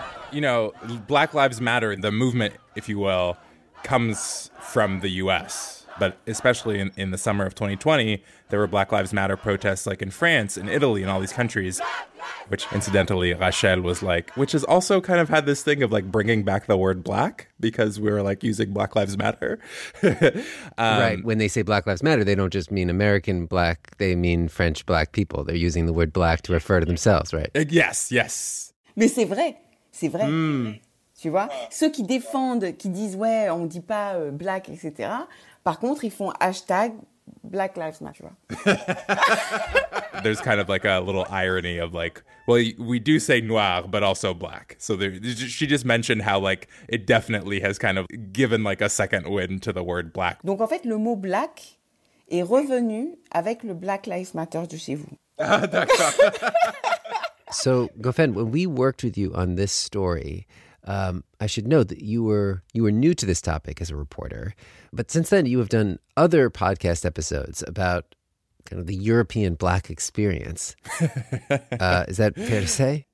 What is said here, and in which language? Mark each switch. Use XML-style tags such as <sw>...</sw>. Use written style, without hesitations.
<en>You know, Black Lives Matter, the movement, if you will, comes from the U.S., but especially in the summer of 2020, there were Black Lives Matter protests like in France and Italy and all these countries, which incidentally Rachel was like, which has also kind of had this thing of like bringing back the word black because we were like using Black Lives Matter. Right. When they say Black Lives Matter, they don't just mean American black. They mean French black people. They're using the word black to refer to themselves, right? Yes, yes.</en> <fr>Mais c'est vrai. C'est vrai. Mm. Tu vois, ceux qui défendent, qui disent, ouais, on dit pas black, etc. Par contre, ils font hashtag</fr> <en>Black Lives Matter. There's kind of like a little irony of like, well, we do say noir, but also black. So she just mentioned how like it definitely has kind of given like a second wind to the word black.</en> <fr>Donc en fait, le mot black est revenu avec le Black Lives Matter de chez vous. D'accord.</fr> <en>So, Gofen, when we worked with you on this story, I should note that you were new to this topic as a reporter. But since then, you have done other podcast episodes about kind of the European black experience. Is that fair to say?</en>